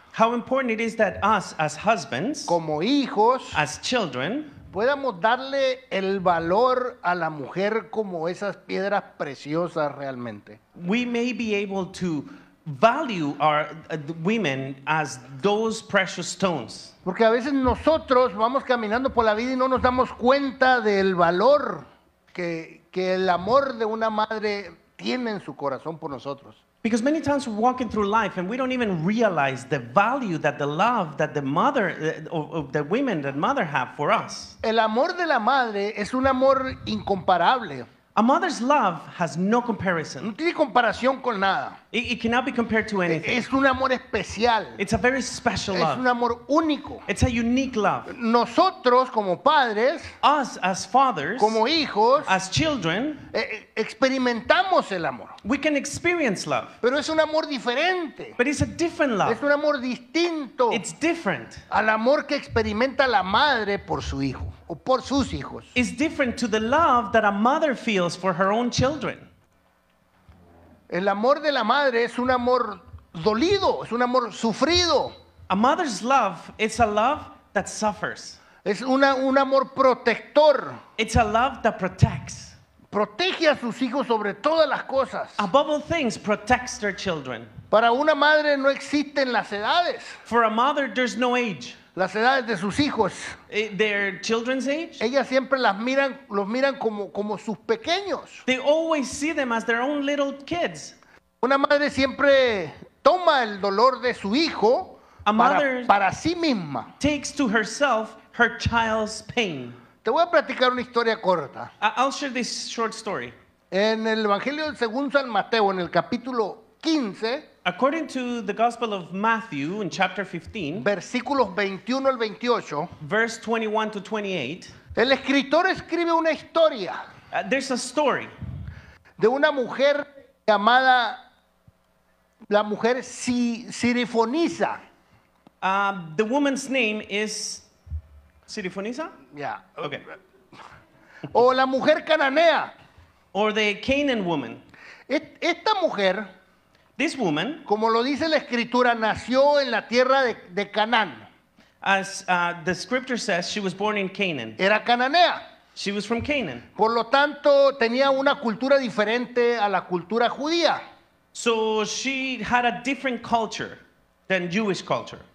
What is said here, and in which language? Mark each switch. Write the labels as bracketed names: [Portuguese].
[English] how important it is that us as husbands, [Spanish] como hijos, [English] as children, [Spanish] podamos darle el valor a la mujer como esas piedras preciosas realmente. [English] We may be able to value our women as those precious stones. [Spanish] Porque a veces nosotros vamos caminando por la vida y no nos damos cuenta del valor que el amor de una madre tiene en su corazón por nosotros. [English] Because many times we're walking through life and we don't even realize the value that the love that the mother, the women that mother have for us. [Spanish] El amor de la madre es un amor incomparable. [English] A mother's love has no comparison. [Spanish] No tiene comparación con nada. [English] It cannot be compared to anything. [Spanish] Es un amor especial. [English] It's a very special love. [Spanish] Es un amor único. [English] It's a unique love. [Spanish] Nosotros como padres, [English] us as fathers, [Spanish] como hijos, [English] as children, [Spanish] experimentamos el amor. [English] We can experience love. [Spanish] Pero es un amor diferente. [English] But it's a different love. [Spanish] Es un amor distinto. [English] It's different. [Spanish] Al amor que experimenta la madre por su hijo o por sus hijos. [English] It's different to the love that a mother feels for her own children. [Spanish] El amor de la madre es un amor dolido, es un amor sufrido. [English] A mother's love is a love that suffers. [Spanish] Es un amor protector. [English] It's a love that protects. [Spanish] Protege a sus hijos sobre todas las cosas. [English] Above all things, protects their children. [Spanish] Para una madre no existen las edades. [English] For a mother, there's no age. [Spanish] Las edades de sus hijos. [English] Their children's age. [Spanish] Ellas siempre las miran, los miran como sus pequeños. [English] They always see them as their own little kids. [Spanish] Una madre siempre toma el dolor de su hijo para sí misma. [English] Takes to herself her child's pain. [Spanish] Te voy a platicar una historia corta. [English] I'll share this short story. [Spanish] En el Evangelio según San Mateo, en el capítulo 15. [English] According to the Gospel of Matthew in chapter 15, [Spanish] versículos 21 al 28, [English] verse 21 to 28, [Spanish] el escritor escribe una historia. [English] There's a story [Spanish] de una mujer llamada la mujer Sirifonisa. [English] The woman's name is Sirifonisa? Yeah. Okay. [Spanish] O la mujer cananea. [English] Or the Canaan woman. [Spanish] Esta mujer, [English] this woman, [Spanish] como lo dice la escritura, nació en la tierra de Canaán. [English] As the scripture says, she was born in Canaan. [Spanish] Era cananea. [English] She was from Canaan. [Spanish] Por lo tanto, tenía una cultura diferente a la cultura judía. [English] So she had a different culture than Jewish culture.